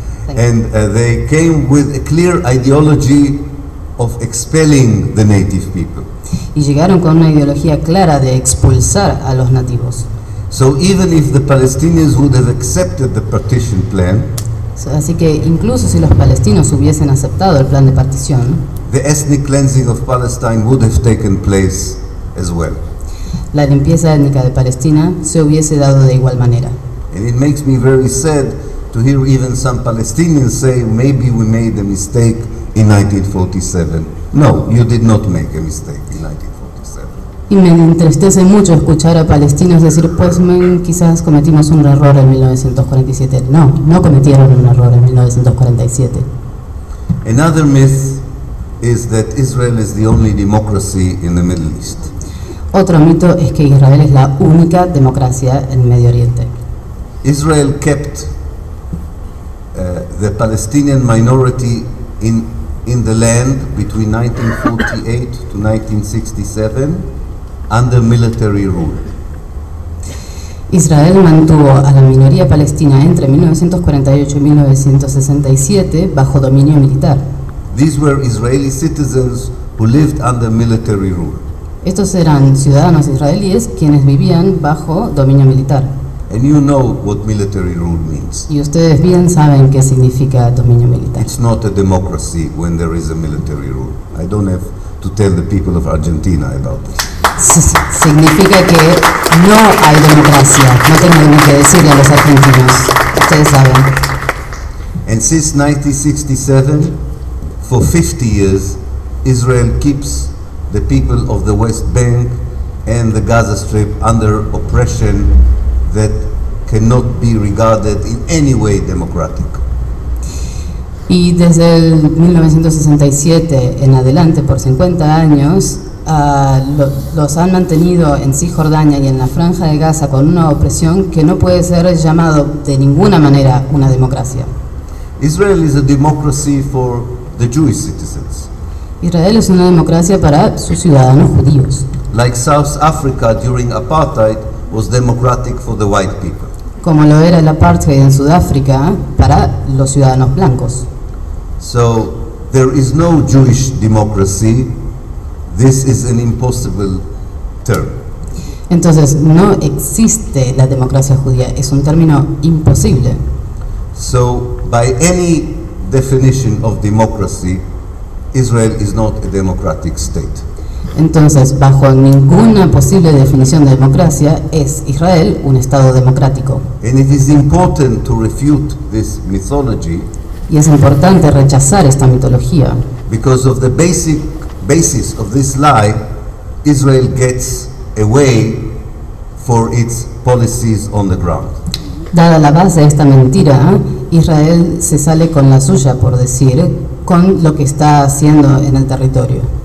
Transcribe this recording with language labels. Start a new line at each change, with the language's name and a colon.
English: And they came with a clear ideology of expelling the native people.
Spanish: Y llegaron con una ideología clara de expulsar a los nativos.
English: So even if the Palestinians would have accepted the partition plan,
Spanish: así que incluso si los palestinos hubiesen aceptado el plan de partición,
English: the ethnic cleansing of Palestine would have taken place as well.
Spanish: La limpieza étnica de Palestina se hubiese dado de igual manera.
English: And it makes me very sad to hear even some Palestinians say, maybe we made a mistake in 1947. No, you did not make a mistake in 1947.
Spanish: Y me entristece mucho escuchar a palestinos decir, pues quizás cometimos un error en 1947. No, no cometieron un error en 1947.
English: Another myth is that Israel is the only democracy in the Middle East.
Spanish: Otro mito es que Israel es la única democracia en Medio Oriente.
English: Israel kept the Palestinian minority in the land between 1948 to 1967. Under military rule.
Spanish: Israel mantuvo a la minoría palestina entre 1948 y 1967 bajo dominio militar.
English: These were Israeli citizens who lived under military rule.
Spanish: Estos eran ciudadanos israelíes quienes vivían bajo dominio militar.
English: And you know what military rule means.
Spanish: Y ustedes bien saben qué significa dominio militar.
English: It's not a democracy when there is a military rule. I don't have to tell the people of Argentina about this.
Spanish: Significa que no hay democracia. No tengo ni que decirle a los argentinos. Ustedes saben.
English: And since 1967, for 50 years, Israel keeps the people of the West Bank and the Gaza Strip under oppression that cannot be regarded in any way democratic.
Spanish: Y desde el 1967 en adelante, por 50 años, los han mantenido en Cisjordania y en la Franja de Gaza con una opresión que no puede ser llamado de ninguna manera una democracia.
English: Israel is a democracy for the Jewish citizens.
Spanish: Israel es una democracia para sus ciudadanos judíos.
English: Like South Africa during apartheid was democratic for the white people.
Spanish: Como lo era el apartheid en Sudáfrica para los ciudadanos blancos.
English: So there is no Jewish democracy. This is an impossible term.
Spanish: Entonces no existe la democracia judía, es un término imposible.
English: So by any definition of democracy, Israel is not a democratic state.
Spanish: Entonces, bajo ninguna posible definición de democracia, es Israel un estado democrático.
English: And it is important to refute this mythology.
Spanish: Y es importante rechazar esta mitología.
English: Because of the basic basis of this lie, Israel gets away for its policies on the ground.
Spanish: Dada la base de esta mentira, Israel se sale con la suya, por decir, con lo que está haciendo en el territorio.